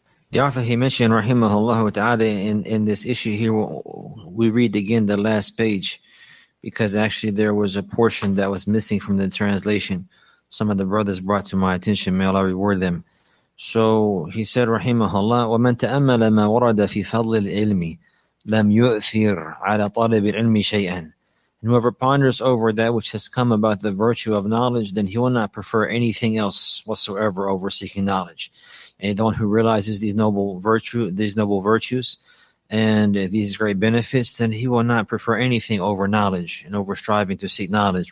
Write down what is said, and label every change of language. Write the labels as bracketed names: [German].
[English] The author, he mentioned, rahimahullah ta'ala, in this issue here, we read again the last page, because actually there was a portion that was missing from the translation. Some of the brothers brought to my attention. May Allah reward them. So he said, [Arabic] rahimahullah, وَمَنْ تَأَمَّلَ مَا وَرَدَ فِي فَضْلِ الْعِلْمِ لَمْ يُؤْثِرْ عَلَى طَلَبِ الْعِلْمِ شَيْئًا. [English] And whoever ponders over that which has come about the virtue of knowledge, then he will not prefer anything else whatsoever over seeking knowledge. And the one who realizes these noble virtues, and these great benefits, then he will not prefer anything over knowledge and over striving to seek knowledge.